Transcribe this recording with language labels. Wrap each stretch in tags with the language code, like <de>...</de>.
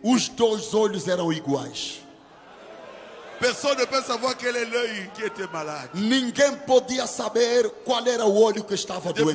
<pt>Os dois olhos eram iguais.</pt> <fr>Personne ne peut savoir quel est l'œil qui était malade.</fr> <pt>Ninguém podia saber qual era o olho que estava doente.</pt>